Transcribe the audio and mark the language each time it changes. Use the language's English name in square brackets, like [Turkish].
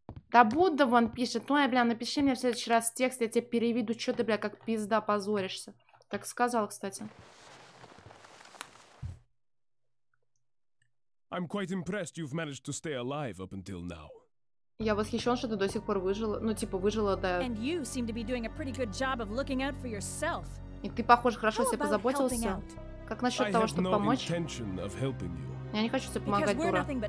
[Russian] Да Будда вон пишет. Ну, бля, напиши мне в следующий раз текст, я тебе переведу. Чё ты, бля, как пизда позоришься? Так сказал, кстати. [English] I'm quite impressed you've managed to stay alive up until now. [Russian] Я восхищен, что ты до сих пор выжила. Ну, типа, выжила, да. [English] And you seem to be doing a pretty good job of looking out for yourself. [Russian] И ты, похоже, хорошо о себе позаботился. Как насчет того, чтобы помочь? Я не хочу тебе помогать, дура.